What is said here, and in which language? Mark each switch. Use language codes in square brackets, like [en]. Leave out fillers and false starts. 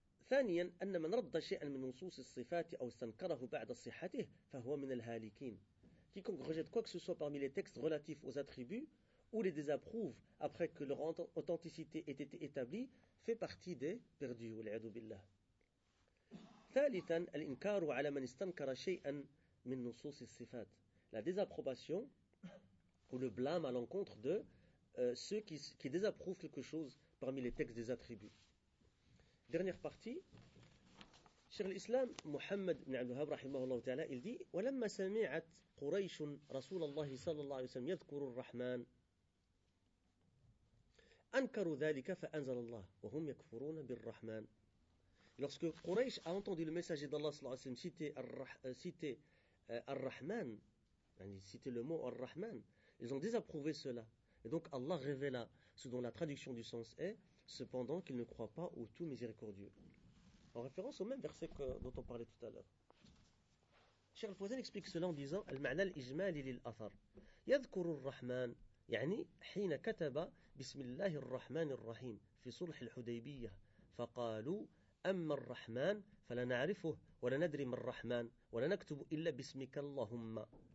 [ar] ثانيا ان من رد شيئا من نصوص الصفات او استنكره بعد صحته فهو من الهالكين. [fr] Quiconque rejette quoi que ce soit parmi les textes relatifs aux attributs ou les désapprouve après que leur authenticité ait été établie fait partie des perdus. [ar] والعياذ بالله. ثالثا الانكار على من استنكر شيئا من نصوص الصفات. [fr] La désapprobation ou le blâme à l'encontre de ceux qui désapprouvent quelque chose parmi les textes des attributs. Dernière partie, Cheikh l'Islam Muhammad ibn Abdelhab, rahimahullah ta'ala, il dit « [ar] ولما سمعت قريش رسول الله صلى الله عليه وسلم يذكر الرحمن أنكروا ذلك فأنزل الله وهم يكفرون بالرحمن [fr] » Lorsque Quraysh a entendu le messager d'Allah [ar] صلى الله عليه وسلم [fr] citer Ar-Rahman, citer le mot Ar-Rahman, ils ont désapprouvé cela. Et donc Allah révéla ce dont la traduction du sens est cependant qu'il ne croit pas au tout miséricordieux. En référence au même verset dont on parlait tout à l'heure. Cheikh Al-Fawzan explique cela en disant [ar] المعنى الإجمالي للأثر يذكر الرحمن يعني حين كتب بسم الله الرحمن الرحيم في صلح الحديبية فقالوا أما الرحمن فلا نعرفه ولا ندري من الرحمن ولا نكتب إلا باسمك اللهم